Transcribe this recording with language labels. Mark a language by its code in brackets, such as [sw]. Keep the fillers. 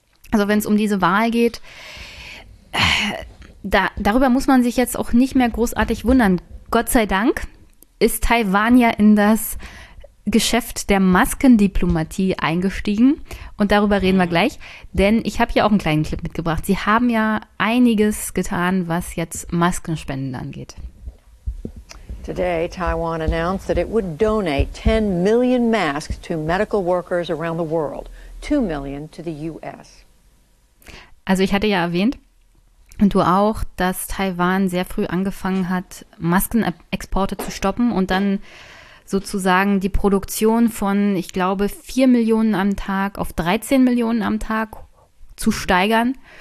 [de] Also wenn es um diese Wahl geht, äh, da, darüber muss man sich jetzt auch nicht mehr großartig wundern. Gott sei Dank ist Taiwan ja in das Geschäft der Maskendiplomatie eingestiegen. Und darüber reden wir gleich, denn ich habe hier auch einen kleinen Clip mitgebracht. Sie haben ja einiges getan, was jetzt Maskenspenden angeht. [en] Today, Taiwan announced that it would donate 10 million masks to medical workers around the world, 2 million to the U.S. [de] Also ich hatte ja erwähnt, und du auch, dass Taiwan sehr früh angefangen hat, Maskenexporte zu stoppen und dann sozusagen die Produktion von, ich glaube, 4 Millionen am Tag auf 13 Millionen am Tag zu steigern.